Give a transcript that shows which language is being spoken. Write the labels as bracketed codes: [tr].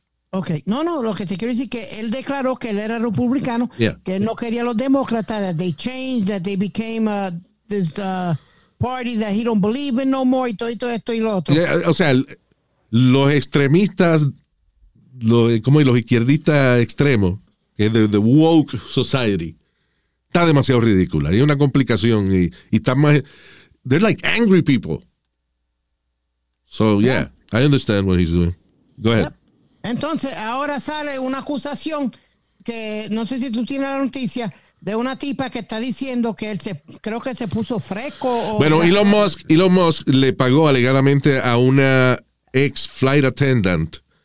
[es] Ok, no, lo que te quiero decir es que él declaró que él era republicano, que él no quería a los demócratas, [en] that they changed, that they became this party that he don't believe in no more, [es] y todo esto y lo otro. O sea, los extremistas, los izquierdistas extremos, que es the woke society, está demasiado ridícula, hay una complicación y está más, [en] they're like angry people. So, yeah, I understand what he's doing. Go ahead. Yep. [es] Entonces, ahora sale una acusación que no sé si tú tienes la noticia de una tipa que está diciendo que él creo que se puso fresco. Elon Musk le pagó alegadamente a una ex flight attendant